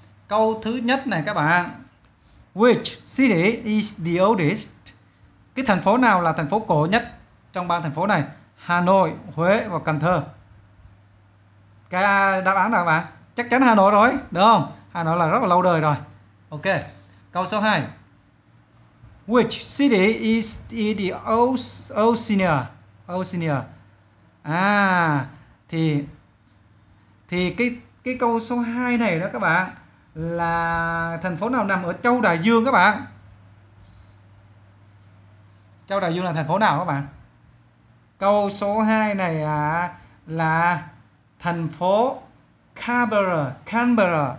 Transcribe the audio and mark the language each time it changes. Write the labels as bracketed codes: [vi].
[vi] Câu thứ nhất này các bạn, [en] which city is the oldest? [vi] Cái thành phố nào là thành phố cổ nhất trong ba thành phố này? Hà Nội, Huế và Cần Thơ. Cái đáp án nào bạn? Chắc chắn Hà Nội rồi, đúng không? Hà Nội là rất là lâu đời rồi. Ok, câu số 2. [en] Which city is the old senior? [vi] À, thì cái câu số 2 này đó các bạn, là thành phố nào nằm ở Châu Đại Dương các bạn? Châu Đại Dương là thành phố nào các bạn? Câu số 2 này là thành phố Canberra.